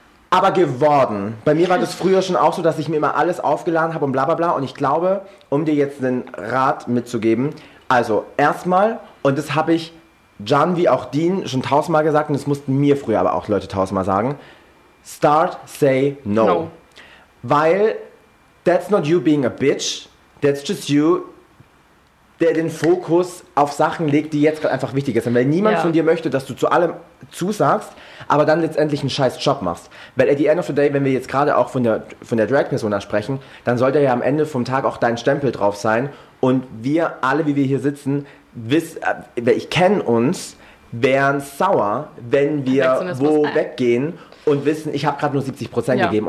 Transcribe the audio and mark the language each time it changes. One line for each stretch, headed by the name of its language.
German: Aber geworden. Bei mir war das früher schon auch so, dass ich mir immer alles aufgeladen habe und bla bla bla. Und ich glaube, um dir jetzt einen Rat mitzugeben, also erstmal, und das habe ich Can wie auch Dean schon 1000-mal gesagt, und das mussten mir früher aber auch Leute 1000-mal sagen,
English: start, say no. No. Weil that's not you being a bitch, that's just you
German: der den Fokus auf Sachen legt, die jetzt gerade einfach wichtiger sind. Weil niemand von dir möchte, dass du zu allem zusagst, aber dann letztendlich einen scheiß Job machst. Weil
English: at the end of the day,
German: wenn wir jetzt gerade auch von der Drag-Persona sprechen, dann sollte ja am Ende vom Tag auch dein Stempel drauf sein. Und wir alle, wie wir hier sitzen, ich kenne uns, wären sauer, wenn wir wo weggehen und wissen, ich habe gerade nur 70% gegeben.